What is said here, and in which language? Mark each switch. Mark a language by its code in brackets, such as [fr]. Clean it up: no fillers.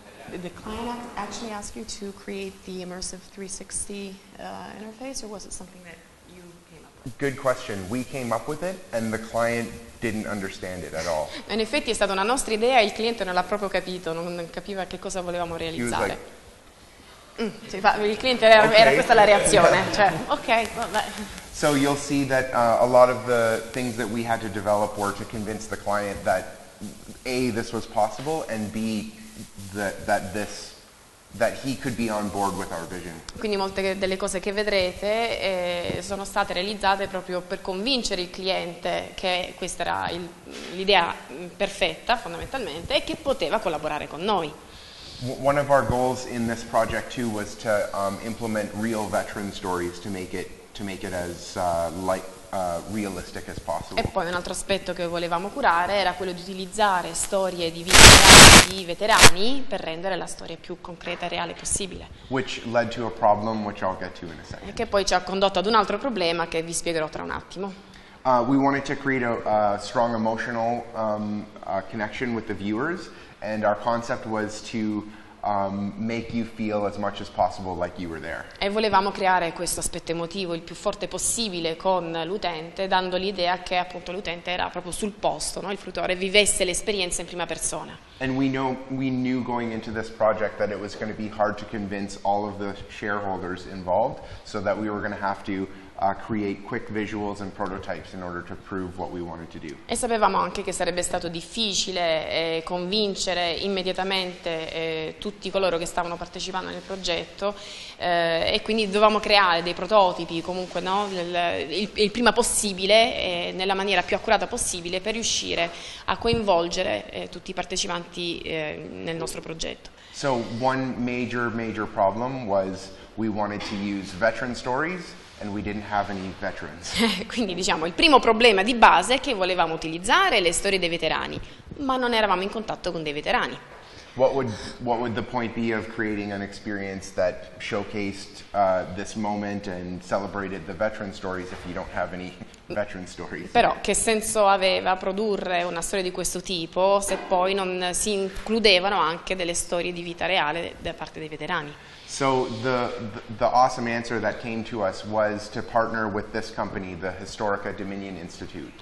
[en] Did the client actually ask you to create the immersive 360 interface, or was it something that you came up with? Good question. We came up with it, and the client didn't understand it at all. [it] In effetti è stata una nostra idea, il cliente non l'ha proprio capito, non capiva che cosa volevamo realizzare. Il cliente era questa la reazione, cioè, ok, vabbè. [en] So you'll see that a lot of the things that we had to develop were to convince the client that A, this was possible, and B, that he could be on board with our vision. [it] Quindi molte delle cose che vedrete sono state realizzate proprio per convincere il cliente che questa era l'idea perfetta fondamentalmente e che poteva collaborare con noi. [en] One of our goals in this project too was to implement real veteran stories to make it as realistic as possible. [it] E poi un altro aspetto che volevamo curare era quello di utilizzare storie di vita di veterani per rendere la storia più concreta e reale possibile. [en] Which led to a problem which I'll get to in a second. [it] E che poi ci ha condotto ad un altro problema che vi spiegherò tra un attimo. [en] We wanted to create a strong emotional connection with the viewers, and our concept was to make you feel as much as possible like you were there. [it] E volevamo creare questo aspetto emotivo il più forte possibile con l'utente, dando l'idea che appunto l'utente era proprio sul posto, no? Il fruttore vivesse l'esperienza in prima persona. [en] And we knew going into this project that it was going to be hard to convince all of the shareholders involved, so that we were going to have to create quick visuals and prototypes in order to prove what we wanted to do. [it] E sapevamo anche che sarebbe stato difficile convincere immediatamente tutti coloro che stavano partecipando nel progetto e quindi dovevamo creare dei prototipi comunque, no, il prima possibile nella maniera più accurata possibile per riuscire a coinvolgere tutti I partecipanti nel nostro progetto. [en] So one major problem was we wanted to use veteran stories and we didn't have any veterans. [it] Quindi diciamo il primo problema di base è che volevamo utilizzare le storie dei veterani, ma non eravamo in contatto con dei veterani. [en] What would the point be of creating an experience that showcased this moment and celebrated the veteran stories if you don't have any veteran stories? [it] Però che senso aveva produrre una storia di questo tipo se poi non si includevano anche delle storie di vita reale da parte dei veterani? [en] So the awesome answer that came to us was to partner with this company, the Historica Dominion Institute.